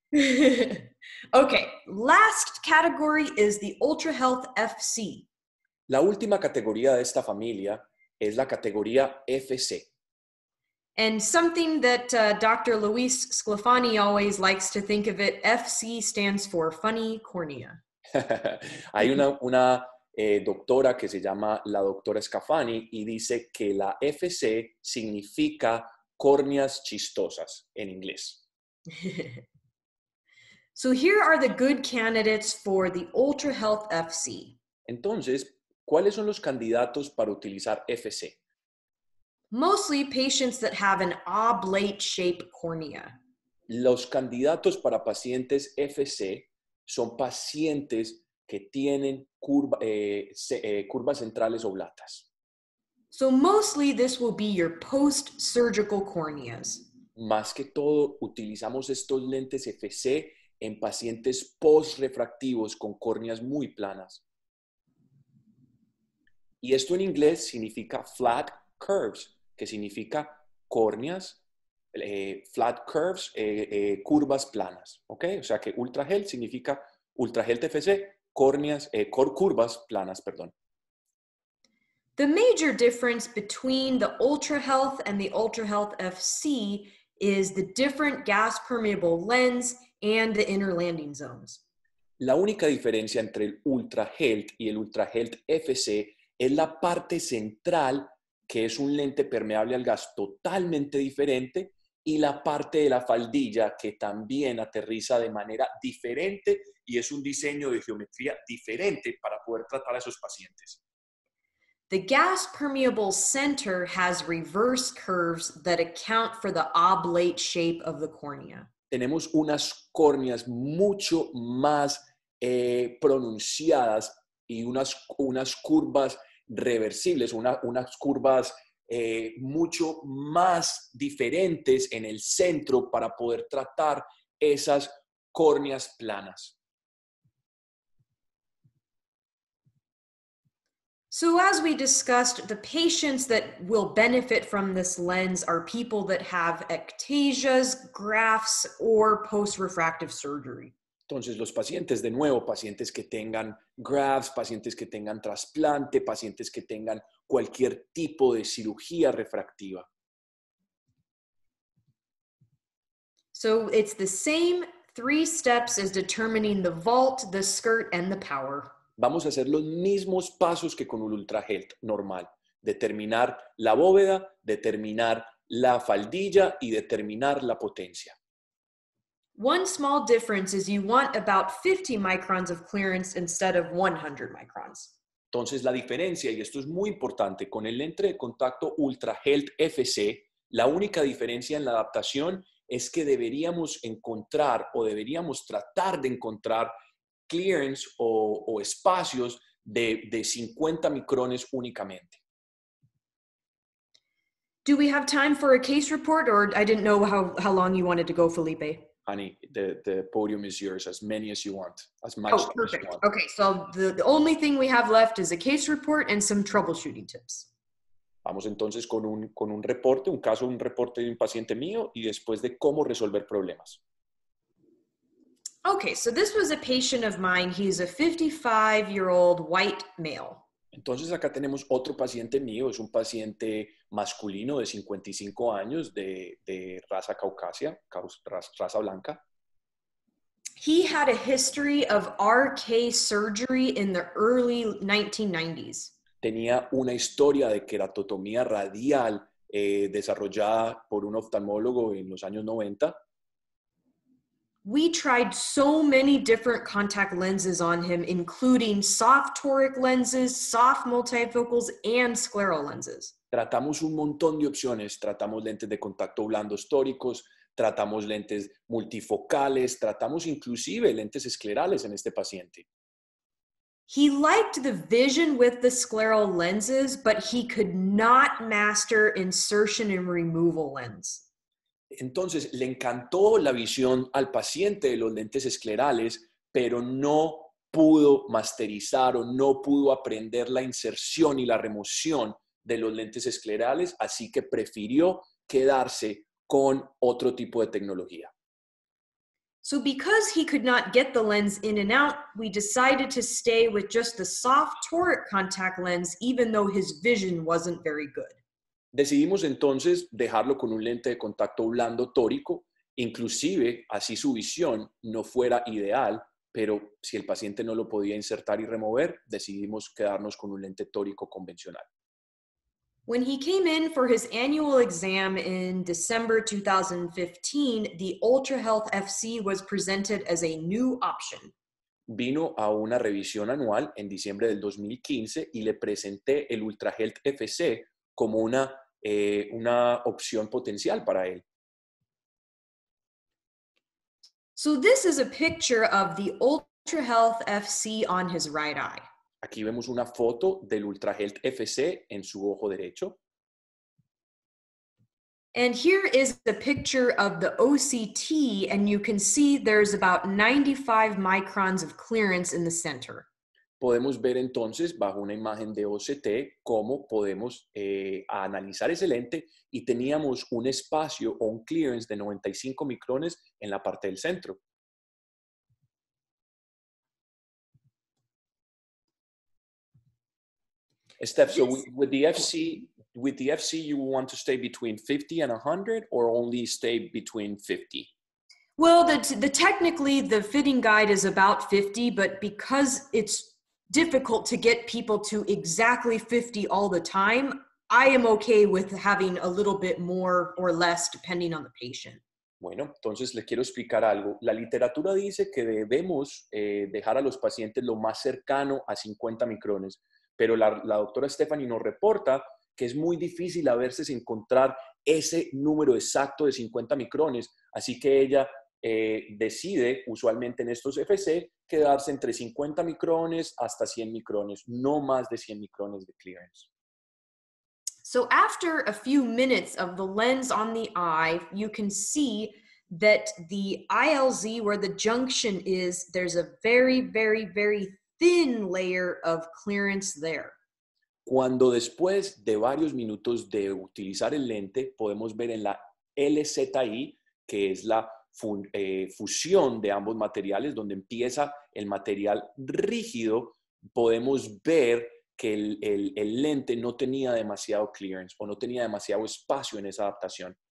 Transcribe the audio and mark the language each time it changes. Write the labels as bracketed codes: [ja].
[en] Okay, last category is the Ultra Health FC. [es] La última categoría de esta familia es la categoría FC. [en] And something that Dr. Luis Sclafani always likes to think of it, FC stands for funny cornea. [es] Hay una doctora que se llama la doctora Scafani y dice que la FC significa córneas chistosas en inglés. [en] So here are the good candidates for the Ultra Health FC. [es] Entonces, ¿cuáles son los candidatos para utilizar FC? [en] Mostly patients that have an oblate-shaped cornea. [es] Los candidatos para pacientes FC son pacientes que tienen curvas centrales oblatas. [en] So mostly this will be your post-surgical corneas. [es] Más que todo, utilizamos estos lentes FC en pacientes post-refractivos con córneas muy planas. Y esto en inglés significa [en] flat curves, [es] que significa córneas, flat curves, curvas planas. ¿Okay? O sea que UltraHealth significa UltraHealth FC, curvas planas, perdón. [en] The major difference between the UltraHealth and the UltraHealth FC is the different gas permeable lens and the inner landing zones. [es] La única diferencia entre el UltraHealth y el UltraHealth FC es la parte central, que es un lente permeable al gas totalmente diferente, y la parte de la faldilla, que también aterriza de manera diferente y es un diseño de geometría diferente para poder tratar a esos pacientes. [en] The gas permeable center has reverse curves that account for the oblate shape of the cornea. [es] Tenemos unas córneas mucho más pronunciadas y unas curvas reversibles, unas curvas mucho más diferentes en el centro para poder tratar esas córneas planas. [en] So as we discussed, the patients that will benefit from this lens are people that have ectasias, grafts, or post-refractive surgery. [es] Entonces, los pacientes, de nuevo, pacientes que tengan grafts, pacientes que tengan trasplante, pacientes que tengan cualquier tipo de cirugía refractiva. [en] So it's the same three steps as determining the vault, the skirt, and the power. [es] Vamos a hacer los mismos pasos que con un UltraHealth normal. Determinar la bóveda, determinar la faldilla y determinar la potencia. [en] One small difference is you want about 50 microns of clearance instead of 100 microns. [es] Entonces, la diferencia, y esto es muy importante, con el lente de contacto UltraHealth FC, la única diferencia en la adaptación es que deberíamos encontrar o deberíamos tratar de encontrar clearance o espacios de 50 micrones únicamente. [en] Do we have time for a case report, or I didn't know how long you wanted to go, Felipe? Honey, the podium is yours, as many as you want, as much as you want. Oh, perfect. Okay, so the only thing we have left is a case report and some troubleshooting tips. [es] Vamos entonces con un reporte, un caso, un reporte de un paciente mío y después de cómo resolver problemas. [en] Okay, so this was a patient of mine. He's a 55-year-old white male. [es] Entonces acá tenemos otro paciente mío. Es un paciente masculino de 55 años de raza caucasia, raza blanca. [en] He had a history of RK surgery in the early 1990s. [es] Tenía una historia de queratotomía radial desarrollada por un oftalmólogo en los años 90. [en] We tried so many different contact lenses on him, including soft toric lenses, soft multifocals, and scleral lenses. [es] Tratamos un montón de opciones. Tratamos lentes de contacto blandos tóricos, tratamos lentes multifocales, tratamos inclusive lentes esclerales en este paciente. [en] He liked the vision with the scleral lenses, but he could not master insertion and removal lens. [es] Entonces, le encantó la visión al paciente de los lentes esclerales, pero no pudo masterizar o no pudo aprender la inserción y la remoción de los lentes esclerales, así que prefirió quedarse con otro tipo de tecnología. [en] So because he could not get the lens in and out, we decided to stay with just the soft toric contact lens, even though his vision wasn't very good. [es] Decidimos entonces dejarlo con un lente de contacto blando tórico, inclusive así su visión no fuera ideal, pero si el paciente no lo podía insertar y remover, decidimos quedarnos con un lente tórico convencional. [en] When he came in for his annual exam in December 2015, the UltraHealth FC was presented as a new option. [es] Vino a una revisión anual en diciembre del 2015 y le presenté el UltraHealth FC como una opción potencial para él. [en] So this is a picture of the UltraHealth FC on his right eye. [es] Aquí vemos una foto del UltraHealth FC en su ojo derecho. [en] And here is the picture of the OCT, and you can see there's about 95 microns of clearance in the center. [es] Podemos ver entonces, bajo una imagen de OCT, cómo podemos analizar ese lente, y teníamos un espacio o un clearance de 95 micrones en la parte del centro. [en] Steph, so with the FC, you want to stay between 50 and 100, or only stay between 50? Well, the technically the fitting guide is about 50, but because it's difficult to get people to exactly 50 all the time, I am okay with having a little bit more or less depending on the patient. [es] Bueno, entonces le quiero explicar algo. La literatura dice que debemos dejar a los pacientes lo más cercano a 50 micrones. Pero la doctora Stephanie nos reporta que es muy difícil a veces encontrar ese número exacto de 50 micrones. Así que ella decide, usualmente en estos FC, quedarse entre 50 micrones hasta 100 micrones, no más de 100 micrones de clearance. [en] So after a few minutes of the lens on the eye, you can see that the ILZ, where the junction is, there's a very, very, very thin layer of clearance there. [es] Cuando después de varios minutos de utilizar el lente, podemos ver en la LZI, que es la fusión de ambos materiales, donde empieza el material rígido, podemos ver que el lente no tenía demasiado clearance o no tenía demasiado espacio en esa adaptación.